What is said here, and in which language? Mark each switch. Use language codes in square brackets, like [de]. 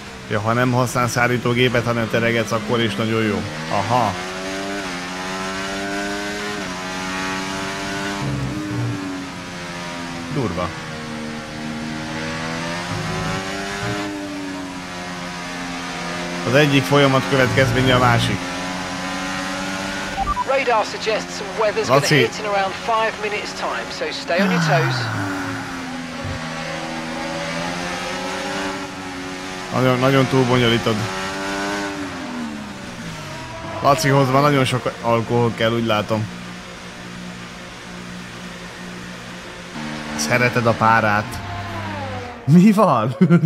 [hu] Ja, ha nem használsz szárítógépet, hanem teregetsz, akkor is nagyon jó. Aha. Durva. Az egyik folyamat következménye a másik. [en] Radar suggests some weather's gonna hit in around 5 minutes time, so stay on your toes. [hu] Nagyon, nagyon túl bonyolítod. Lacihoz van nagyon sok alkohol kell, úgy látom. Szereted a párát. Mi van?